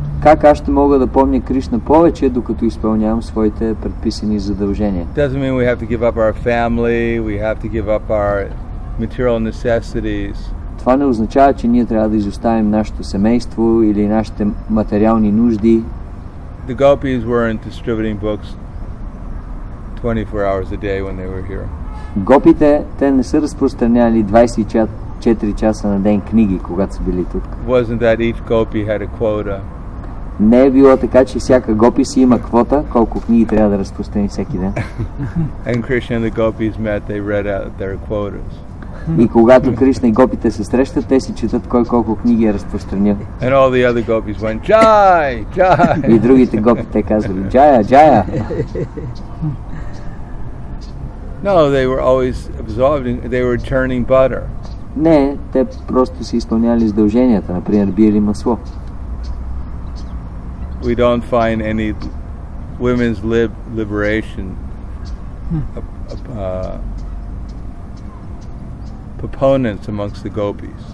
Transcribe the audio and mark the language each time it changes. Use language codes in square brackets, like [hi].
[bg] Как аз ще мога да помня Кришна повече, докато изпълнявам своите предписани задължения? [en] Doesn't mean we have to give up our family, we have to give up our material necessities. [bg] Това не означава, че ние трябва да изоставим нашето семейство или нашите материални нужди. [en] The gopis weren't distributing books 24 hours a day when they were here. [bg] Гопите, те не са разпространяли 24 часа на ден книги, когато са били тук. [en] Wasn't that each gopi had a quota? [bg] Не е било така, че всяка гопи си има квота, колко книги трябва да разпространи всеки ден. [en] And Krishna and the gopis met, they read out their quotas. [bg] И когато Кришна и гопите се срещат, те си четат кой колко книги е разпространил. [en] And all the other gopis went, Jai! [hi] Jai! [bg] И другите гопи те казали, Jaya, Jaya! [en] No, they were always absorbing, they were churning butter. [bg] Не, те просто си изпълняли задълженията, например, били масло. [en] We don't find any women's liberation proponents amongst the gopis.